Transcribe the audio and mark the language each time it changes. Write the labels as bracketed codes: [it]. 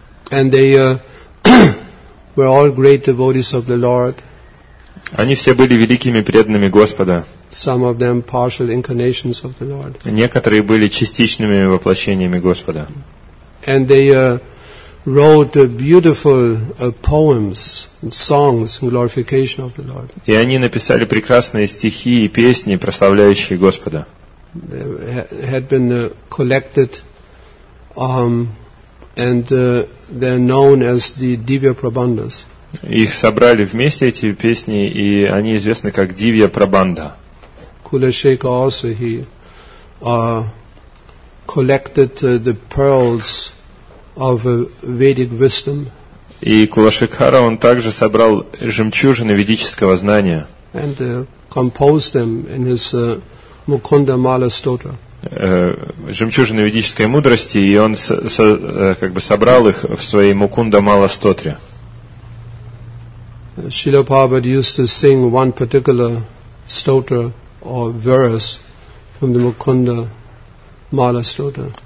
[en] And they were all great devotees of the Lord. [ru] Они все были великими преданными Господа. [en] Some of them partial incarnations of the Lord. [ru] Некоторые были частичными воплощениями Господа. [en] And they wrote beautiful poems and songs in glorification of the Lord. [ru] И они написали прекрасные стихи и песни, прославляющие Господа. [en] They had been collected and they're known as the Divya Prabandhas. [ru] Их собрали вместе, эти песни, и они известны как Дивья Прабанда. [en] Kulashekara also, he collected the pearls of Vedic wisdom. [ru] И Кулашекара, он также собрал жемчужины ведического знания. [en] And composed them in his Mukunda Mala Stotra. [ru] Жемчужины ведической мудрости, и он как бы собрал их в своей Мукунда Мала Стотре. [en] Srila Prabhupada used to sing one particular stotra or verse from the Mukunda Mala Stotra.